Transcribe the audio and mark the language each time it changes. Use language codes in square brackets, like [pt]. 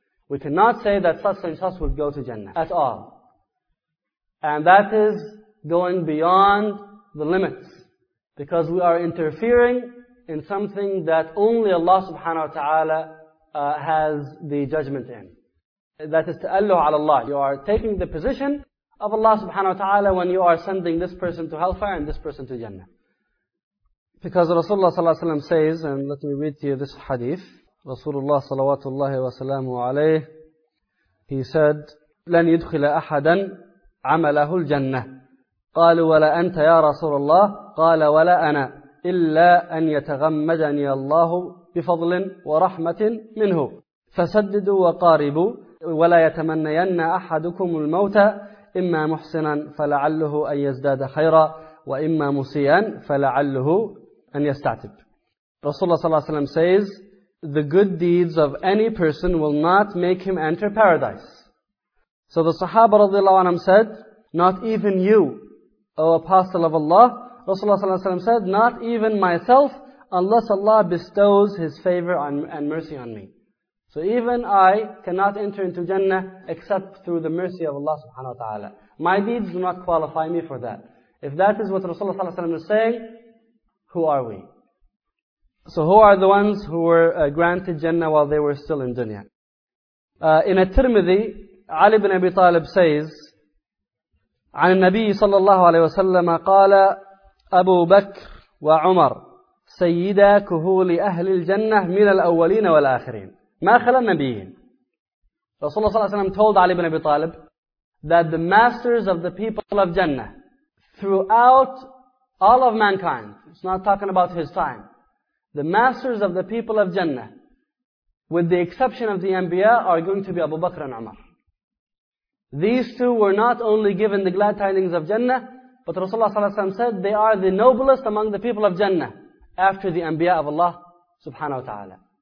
[en] We cannot say that such and such would go to Jannah at all. And that is going beyond the limits, because we are interfering in something that only Allah subhanahu wa ta'ala has the judgment in. That is ta'allu ala Allah. You are taking the position of Allah subhanahu wa ta'ala when you are sending this person to hellfire and this person to Jannah. Because Rasulullah sallallahu alayhi wa sallam says, and let me read to you this hadith, Rasulullah salawatullahi wa salamu alayhi, he said, [ar] لَنْ يُدْخِلَ أَحَدًا عَمَلَهُ الْجَنَّةِ قَالُوا وَلَا أَنْتَ يَا رَسُولَ اللَّهِ قَالَ وَلَا أَنَا إِلَّا أَنْ يَتَغَمَّدَنِيَ اللَّهُ بِفَضْلٍ وَرَحْمَةٍ مِنْهُ فَسَدِّدُوا وَقَارِبُوا وَلَا يَتَمَنَّيَنَّ أَحَدُكُمُ الْمَوْتَ إِمَّا مُحْسِنًا فَلَعَلُّهُ أَنْ يَزْدَادَ خَيْرًا وَإِمَّا مُسِيًّا فَلَعَلُّهُ أَنْ يَسْتَعْتِبُ. [en] Rasulullah sallallahu alayhi wa sallam says, the good deeds of any person will not make him enter paradise. So the Sahaba radiallahu anhu said, not even you, O Apostle of Allah. Rasulullah sallallahu alayhi wa sallam said, not even myself, unless Allah bestows His favor and mercy on me. So even I cannot enter into Jannah except through the mercy of Allah subhanahu wa ta'ala. My deeds do not qualify me for that. If that is what Rasulullah sallallahu alayhi wa sallam is saying, who are we? So who are the ones who were granted Jannah while they were still in dunya? In At-Tirmidhi, Ali ibn Abi Talib says, [ar] عن النبي صلى الله عليه وسلم قال أبو بكر وعمر سيدا كهول أهل الجنة من الأولين والآخرين. ما خلى النبيين. رسول الله صلى الله عليه وسلم [en] told Ali ibn Abi Talib that the masters of the people of Jannah, throughout all of mankind, it's not talking about his time, the masters of the people of Jannah, with the exception of the Anbiya, are going to be Abu Bakr and Umar. These two were not only given the glad tidings of Jannah, but Rasulullah ﷺ said they are the noblest among the people of Jannah after the Anbiya of Allah subhanahu wa ta'ala.